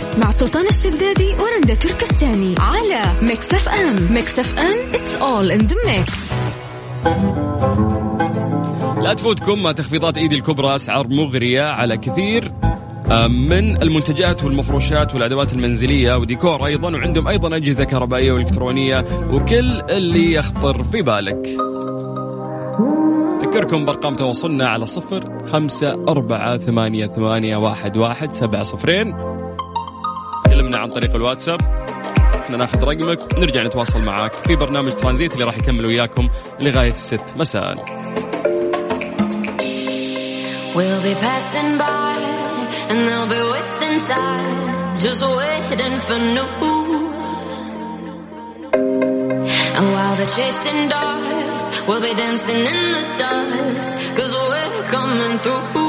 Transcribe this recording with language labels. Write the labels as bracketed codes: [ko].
[ar] سلطان الشدادي ورندا تركستاني على ميكس اف ام. ميكس اف ام، [en] it's all in the mix. [ar] لا تفوتكم تخفيضات ايدي الكبرى، اسعار مغرية على كثير من المنتجات والمفروشات والأدوات المنزلية وديكور ايضا، وعندهم ايضا اجهزة كهربائية والكترونية وكل اللي يخطر في بالك. أذكركم بأرقام تواصلنا على 0548811702، كلمنا عن طريق الواتساب، ناخذ رقمك ونرجع نتواصل معك في برنامج ترانزيت اللي راح يكمل وياكم لغاية 6 مساء. [en] We'll be passing by and they'll be wasted inside just waiting for new. And while they're chasing dogs we'll be dancing in the dust cause we're coming through.